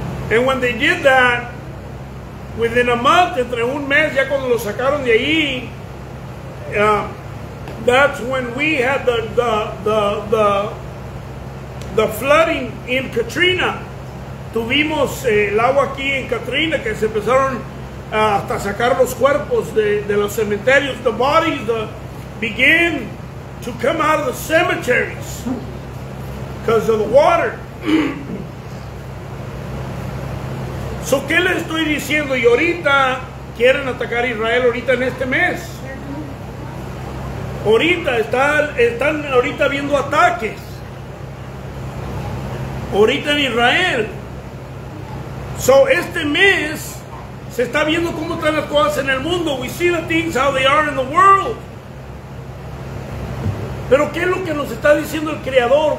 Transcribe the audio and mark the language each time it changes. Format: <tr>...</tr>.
<en>And when they did that, within a month,</en> <es>entre un mes, ya cuando los sacaron de ahí,</es> <en>that's when we had the flooding in Katrina.</en> <es>Tuvimos el agua aquí en Katrina, que se empezaron hasta sacar los cuerpos de los cementerios.</es> <en>The bodies began to come out of the cemeteries because of the water.</en> <es>So, ¿qué le estoy diciendo? Y ahorita quieren atacar Israel ahorita en este mes. Ahorita están ahorita viendo ataques. Ahorita en Israel. So, este mes se está viendo cómo están las cosas en el mundo.</es> <en>We see the things how they are in the world.</en> <es>Pero ¿qué es lo que nos está diciendo el Creador?</es>